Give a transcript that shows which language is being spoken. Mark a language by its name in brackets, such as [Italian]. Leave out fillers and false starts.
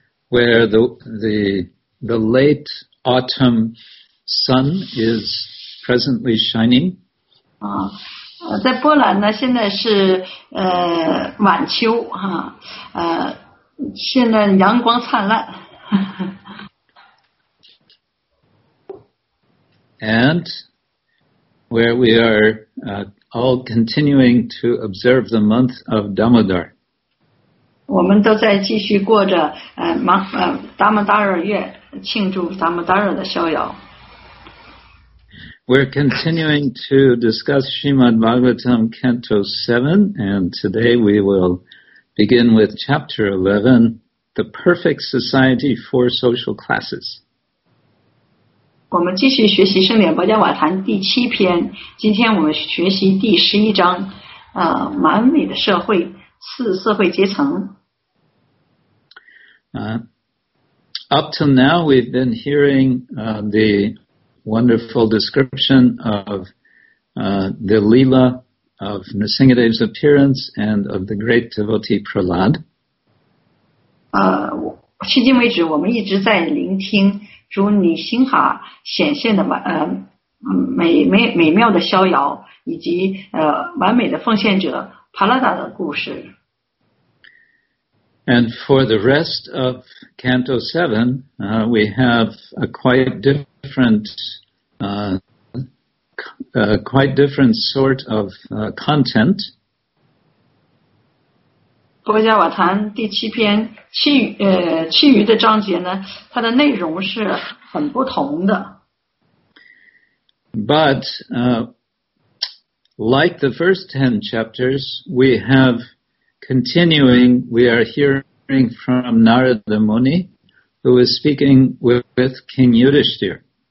[English] Where the late autumn sun is presently shining. [Chinese] 在波兰呢，现在是晚秋哈，现在阳光灿烂。 [English] And where we are. All continuing to observe the month of Damodar. [Chinese] 我们都在继续过着Damodara 月，庆祝 Damodara 的逍遥。 [English] We're continuing to discuss Srimad Bhagavatam Canto 7, and today we will begin with Chapter 11, The Perfect Society for Social Classes. [Chinese] 我们继续学习圣莲波加瓦坛第七篇，今天我们学习第十一章，完美的社会，四社会阶层。 [English] Up till now we've been hearing the wonderful description of the Leela of Nrisingadev's appearance and of the great devotee Prahlad. [Chinese] 迄今为止我们一直在聆听主女星哈显现的美妙的逍遥，以及完美的奉献者帕拉达的故事。 [English] And for the rest of Canto 7, we have a quite different sort of content. [Chinese] 波加瓦坛第七篇其余的章节呢，它的内容是很不同的。 [English] But like the first 10 chapters, we are hearing from Narada Muni, who is speaking with King Yudhishthir.